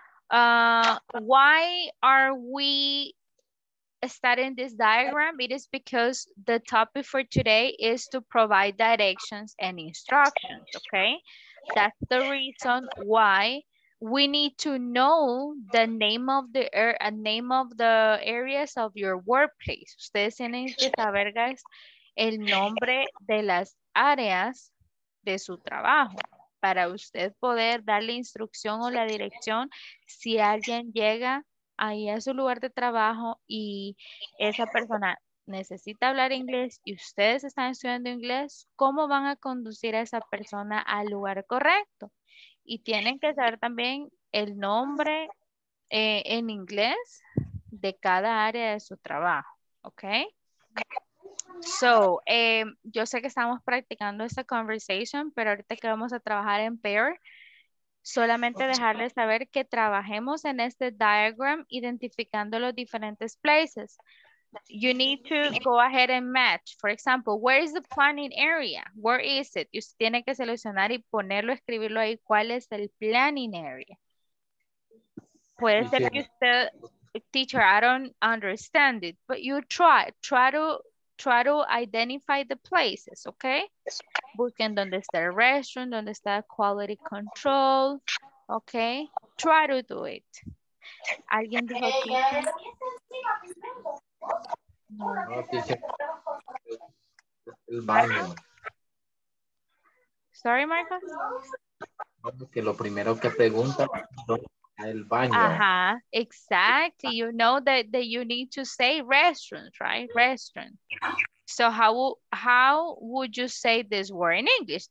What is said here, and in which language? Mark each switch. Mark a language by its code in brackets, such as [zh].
[en] Why are we studying this diagram? It is because the topic for today is to provide directions and instructions, okay? That's the reason why we need to know the name of the name of the areas of your workplace. [es] Ustedes tienen que saber, guys, el nombre de las áreas de su trabajo, para usted poder darle instrucción o la dirección si alguien llega ahí a su lugar de trabajo y esa persona necesita hablar inglés y ustedes están estudiando inglés, ¿cómo van a conducir a esa persona al lugar correcto? Y tienen que saber también el nombre en inglés de cada área de su trabajo, ¿ok? So, yo sé que estamos practicando esta conversation, pero ahorita que vamos a trabajar en pair, Solamente dejarles saber que trabajemos en este diagram identificando los diferentes places. You need to go ahead and match. For example, where is the planning area? Where is it? Y usted tiene que seleccionar y ponerlo, escribirlo ahí, ¿cuál es el planning area? Puede ser que usted, [en] teacher, I don't understand it, but you try to identify the places, okay? [es] Busquen donde está el restroom, donde está quality control, okay? [en] Try to do it. [es] ¿Alguien dijo aquí? No, el baño. [en] Sorry, Marcos. [es] No, que lo primero que pregunta el baño. [en] Ajá, exactly. You know that you need to say restaurant, right? Restaurant. So how would you say this word in English?